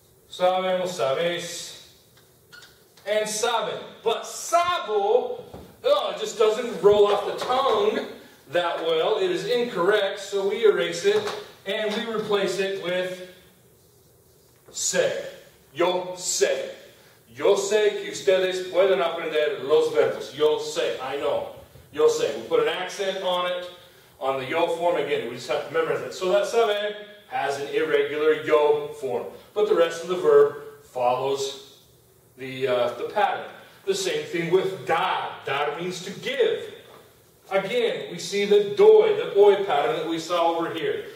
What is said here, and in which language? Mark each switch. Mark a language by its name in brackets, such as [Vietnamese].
[Spanish] Sabemos, sabes. And saben. [English] But sabo, oh, it just doesn't roll off the tongue that well. It is incorrect, so we erase it and we replace it with ser. [Spanish] Yo sé. Yo sé que ustedes pueden aprender los verbos. Yo sé. [English] I know. [Spanish] Yo sé. [English] We put an accent on it, on the yo form. Again, we just have to memorize it. So that saber has an irregular yo form. But the rest of the verb follows the pattern. The same thing with dar. Dar means to give. Again, we see the doy, the oy pattern that we saw over here.